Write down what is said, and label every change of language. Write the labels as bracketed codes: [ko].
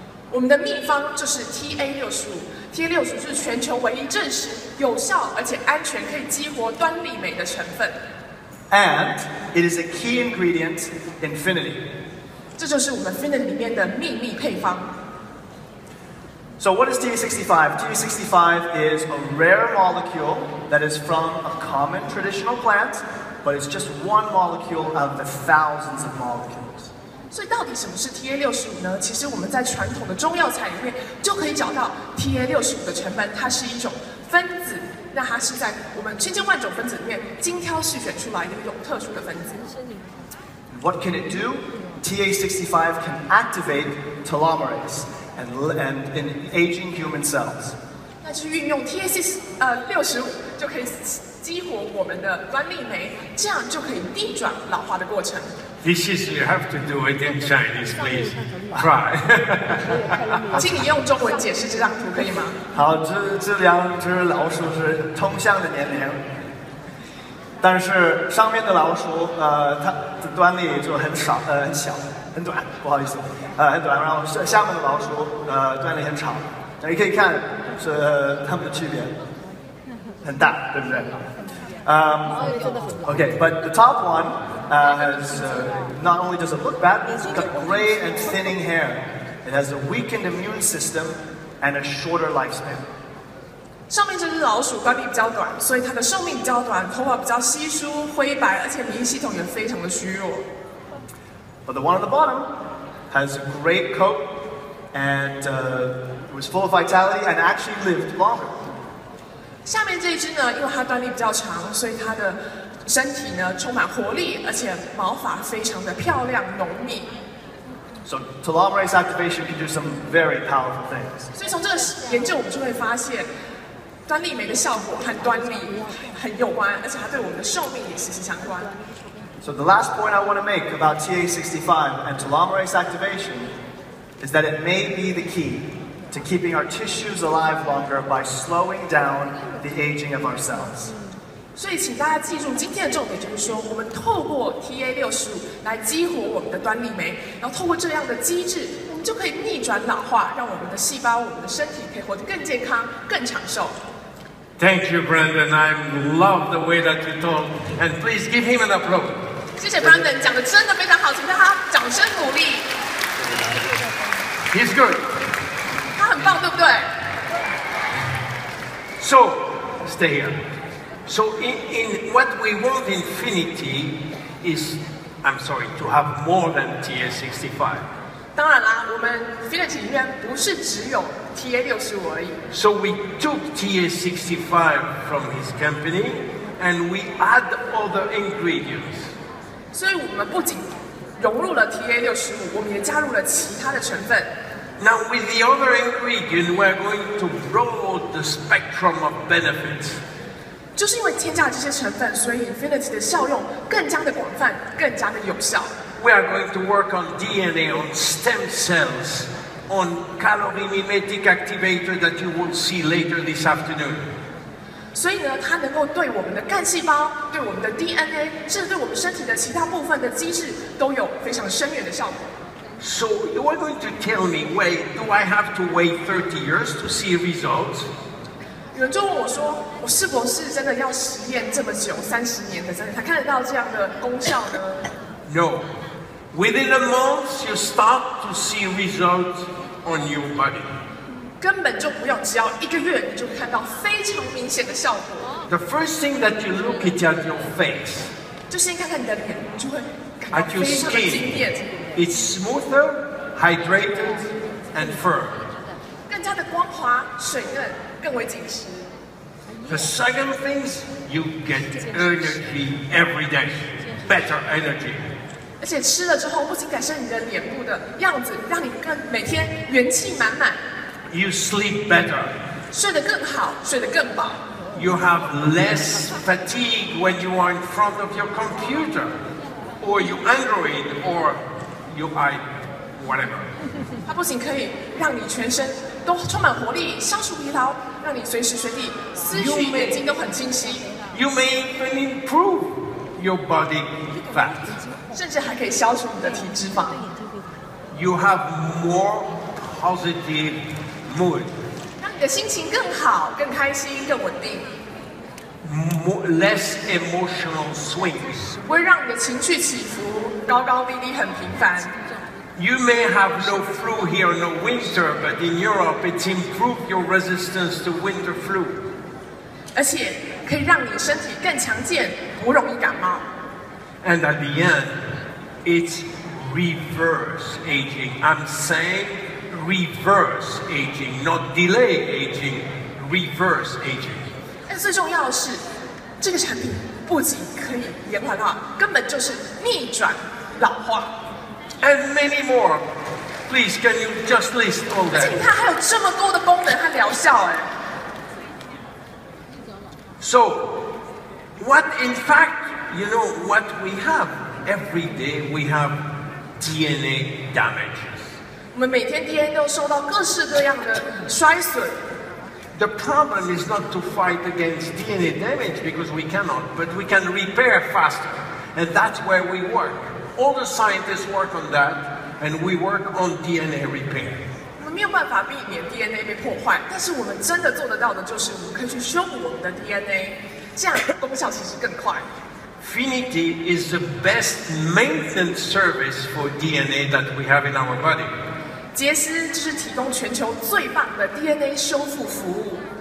[zh] 我们的秘方就是 TA65 是全球唯一证实有效而且安全可以激活端粒酶的成分。 [en] And it is a key ingredient in Finity. [zh] 这就是我们 Finity 里面的秘密配方。 [en] So what is TA65? TA65 is a rare molecule that is from a common traditional plant, but it's just one molecule out of the thousands of molecules. [zh] 所以到底什么是 TA65 呢？其实我们在传统的中药材里面就可以找到 TA65 的成分，它是一种分子，那它是在我们千千万种分子里面精挑细选出来的一种特殊的分子。 [en] What can it do? TA65 can activate telomerase and in aging human cells. [zh] 那就是运用 TA65 就可以激活我们的端粒酶，这样就可以逆转老化的过程。 [en] This is, you have to do it in Chinese, please. Try. [zh] 请你用中文解释这张图可以吗？好，这两只老鼠是同样的年龄。但是上面的老鼠，它的端粒就很少，很小，很短，不好意思，很短。然后下面的老鼠，端粒很长，那你可以看是它们的区别，很大，对不对？ [en] Okay, but the top one has not only does it look bad, it's got gray and thinning hair. It has a weakened immune system and a shorter lifespan. [zh] 上面这只老鼠端粒比较短，所以它的寿命比较短，头发比较稀疏灰白，而且免疫系统也非常的虚弱。 [en] But the one at the bottom has a great coat and was full of vitality and actually lived longer. [zh] 下面这只呢，因为它端粒比较长，所以它的身体呢充满活力，而且毛发非常的漂亮浓密。 [en] So telomerase activation can do some very powerful things. [zh] 所以从这个研究，我们就会发现。端粒酶的效果和端粒很有关，而且它对我们的寿命也息息相关。 [en] So the last point I want to make about TA65 and telomerase activation is that it may be the key to keeping our tissues alive longer by slowing down the aging of our cells. [zh] 所以请大家记住今天的重点，就是说我们透过 TA65 来激活我们的端粒酶，然后透过这样的机制，我们就可以逆转老化，让我们的细胞、我们的身体可以活得更健康、更长寿。 [en] Thank you, Brandon. I love the way that you talk. And please give him an applause. [zh] 谢谢 Brandon， 讲得真的非常好，请给他掌声鼓励。 [en] He's good. [zh] 他很棒，对不对？ [en] So, stay here. So, in what we want infinity is, I'm sorry, to have more than TA65. [zh] 当然啦，我们 Infinity 里面不是只有 TA65 而已。 [en] So we took TA65 from his company and we add other ingredients. [zh] 所以我们不仅融入了 TA65， 我们也加入了其他的成分。 [en] Now with the other ingredient, we're going to broaden the spectrum of benefits. [zh] 就是因为添加了这些成分，所以 Infinity 的效用更加的广泛，更加的有效。 [en] We are going to work on DNA, on stem cells, on calorie mimetic activator that you will see later this afternoon. [zh] 所以呢，它能够对我们的干细胞、对我们的 DNA， 甚至对我们身体的其他部分的机制都有非常深远的效果。 [en] So you are going to tell me, wait, do I have to wait 30 years to see results? [zh] 有人就问我说，我是不是真的要实验这么久，30年的真的才看得到这样的功效呢？ [en] No, within a month you start to see results on your body. [zh] 根本就不用，只要一个月，你就看到非常明显的效果。 [en] The first thing that you look at your face. [zh] 就先看看你的脸，就会感到非常的惊艳。 [en] At your skin, it's smoother, hydrated, and firm. [zh] 更加的光滑、水嫩，更为紧实。 [en] The second thing is you get energy every day. Better energy. [zh] 而且吃了之后，不仅改善你的脸部的样子，让你更每天元气满满。 [en] You sleep better. [zh] 睡得更好，睡得更饱。 [en] You have less fatigue when you are in front of your computer, or your Android, or your whatever. [zh] 它不仅可以让你全身都充满活力，消除疲劳，让你随时随地思绪、眼睛都很清晰。 [en] You may even improve. Your body fat. [zh] 甚至还可以消除你的体脂肪。 [en] You have more positive mood. [zh] 让你的心情更好，更开心，更稳定。 [en] Less emotional swings. [zh] 不会让你的情绪起伏高高低低，很频繁。 [en] You may have no flu here, no winter, but in Europe, it's improved your resistance to winter flu. [zh] 而且可以让你身体更强健，不容易感冒。 [en] And at the end, it's reverse aging. I'm saying reverse aging, not delay aging. Reverse aging. [zh] 但最重要的是，这个产品不仅可以延缓老化，根本就是逆转老化。 [en] And many more. Please, can you just list all that? [zh] 而且你看，还有这么多的功能和疗效哎。 [en] So, what in fact, you know, what we have every day, we have DNA damages. [zh] 我们每天 DNA 都受到各式各样的衰损。 [en] The problem is not to fight against DNA damage because we cannot, but we can repair faster, and that's where we work. All the scientists work on that, and we work on DNA repair. [zh] 没有办法避免 DNA 被破坏，但是我们真的做得到的就是，我们可以去修补我们的 DNA， 这样功效其实更快。 [en] Finity is the best maintenance service for DNA that we have in our body. [zh] 杰斯就是提供全球最棒的 DNA 修复服务。